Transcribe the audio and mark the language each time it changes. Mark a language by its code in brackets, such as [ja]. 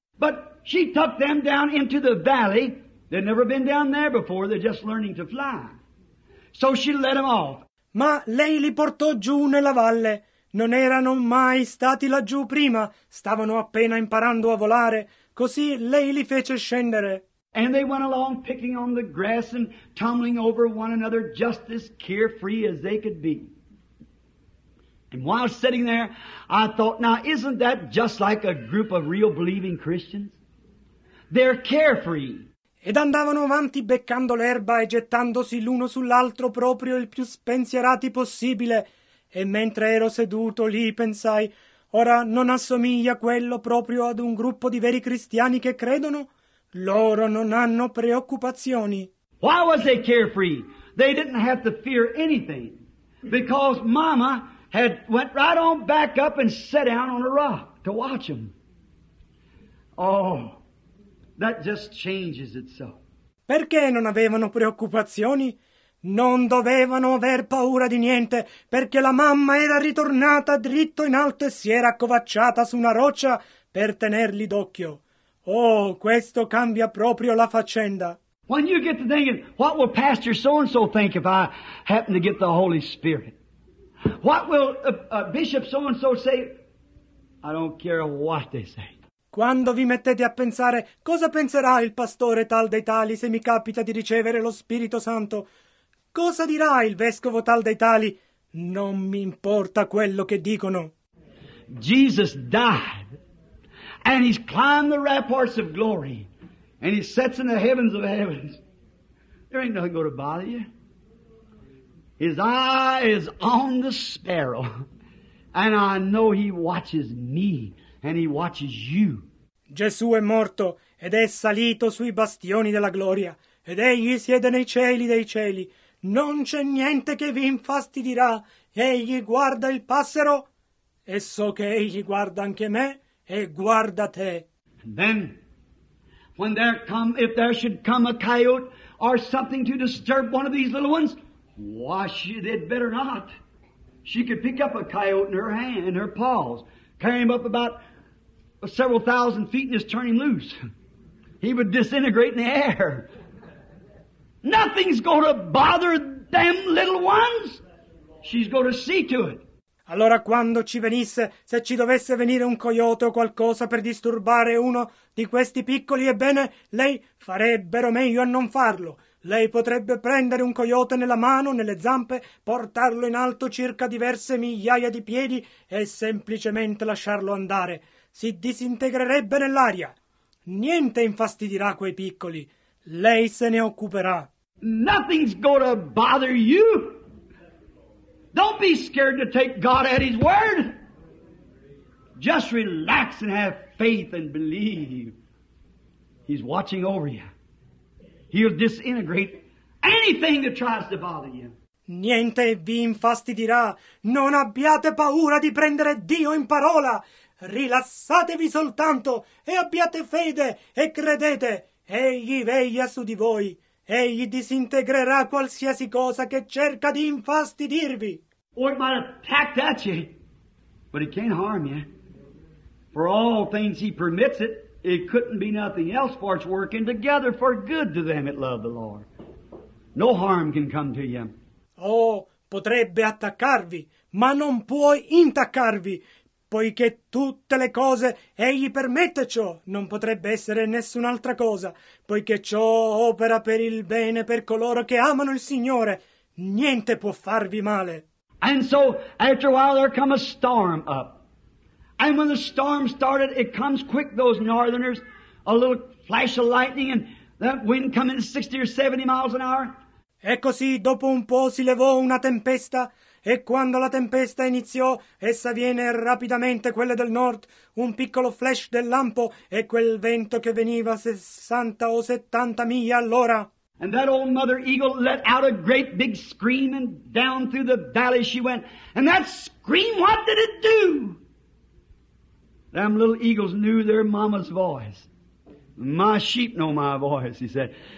[en] But she tucked them down into the valley. They'd never been down there before. They're just learning to fly. So she let them off. [it] Ma lei li portò giù nella valle. Non erano mai stati laggiù prima, stavano appena imparando a volare, così lei li fece scendere. [en] And they went along picking on the grass and tumbling over one another just as carefree as they could be. And while sitting there, I thought, now isn't that just like a group of real believing Christians? They're carefree. [it] Ed andavano avanti beccando l'erba e gettandosi l'uno sull'altro proprio il più spensierati possibile. E mentre ero seduto lì, pensai, ora non assomiglia quello proprio ad un gruppo di veri cristiani che credono? Loro non hanno preoccupazioni. [en] Why was they carefree? They didn't have to fear anything. Because mama had went right on back up and sat down on a rock to watch them. Oh, that just changes itself. [it] Perché non avevano preoccupazioni? Non dovevano aver paura di niente, perché la mamma era ritornata dritto in alto e si era accovacciata su una roccia per tenerli d'occhio. Oh, questo cambia proprio la faccenda. [en] When you get to thinking, what will Pastor so-and-so think if I happen to get the Holy Spirit? What will Bishop so-and-so say? I don't care what they say. [it] Quando vi mettete a pensare, cosa penserà il pastore tal dei tali se mi capita di ricevere lo Spirito Santo? Cosa dirà il vescovo tal dei tali? Non mi importa quello che dicono. [en] Jesus died, and he's climbed the ramparts of glory, and he sits in the heavens of heavens. There ain't nothing going to bother you. His eye is on the sparrow, and I know he watches me, and he watches you. [it] Gesù è morto, ed è salito sui bastioni della gloria, ed egli siede nei cieli dei cieli. Non c'è niente che vi infastidirà. Egli guarda il passero e so che egli guarda anche me e guarda te. [en] And then, when there come, if there should come a coyote or something to disturb one of these little ones, why, they'd better not. She could pick up a coyote in her hand, in her paws, carry him up about several thousand feet and just turn him loose. He would disintegrate in the air. Nothing's going to bother them little ones. She's going to see to it. [it] Allora quando ci venisse, se ci dovesse venire un coyote o qualcosa per disturbare uno di questi piccoli, ebbene, lei farebbero meglio a non farlo. Lei potrebbe prendere un coyote nella mano, nelle zampe, portarlo in alto circa diverse migliaia di piedi e semplicemente lasciarlo andare. Si disintegrerebbe nell'aria. Niente infastidirà quei piccoli. Lei se ne occuperà. [en] Nothing's going to bother you. Don't be scared to take God at His word. Just relax and have faith and believe. He's watching over you. He'll disintegrate anything that tries to bother you. [it] Niente vi infastidirà. Non abbiate paura di prendere Dio in parola. Rilassatevi soltanto e abbiate fede e credete. Egli veglia su di voi. Egli disintegrerà qualsiasi cosa che cerca di infastidirvi. [en] Or it might attack at you, but it can't harm you. For all things He permits it, it couldn't be nothing else, for it's working together for good to them that love the Lord. No harm can come to you. [it] Oh, potrebbe attaccarvi, ma non può intaccarvi, poiché tutte le cose Egli permette ciò, non potrebbe essere nessun'altra cosa, poiché ciò opera per il bene per coloro che amano il Signore. Niente può farvi male. [en] And so, after a while, there come a storm up. And when the storm started, it comes quick, those northerners, a little flash of lightning, and that wind coming 60 or 70 miles an hour. [it] E così, dopo un po', si levò una tempesta, e quando la tempesta iniziò, essa viene rapidamente, quelle del nord, un piccolo flash del lampo, e quel vento che veniva 60 o 70 miglia all'ora. [en] And that old mother eagle let out a great big scream, and down through the valley she went. And that scream, what did it do? Them little eagles knew their mama's voice. My sheep know my voice, he said.